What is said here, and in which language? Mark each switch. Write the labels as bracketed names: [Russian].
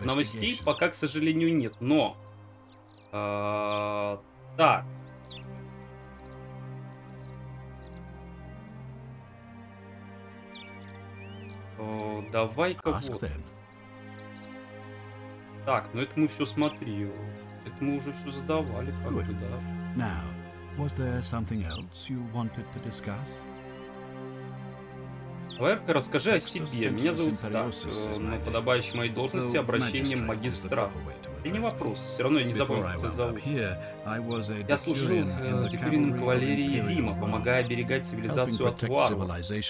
[Russian] Новостей пока, к сожалению, нет, но... Так. Давай-ка вот. Так, ну это мы все смотрели. Это мы уже все задавали, как-то, да. [English] Now, was there something else you wanted to discuss? [Russian] Варка, расскажи о себе. Меня зовут Стас. На подобающей моей должности обращением магистрат. И не вопрос, все равно я не забыл, как тебя зовут. Я служил в Тигриной кавалерии Рима, помогая оберегать цивилизацию от варваров.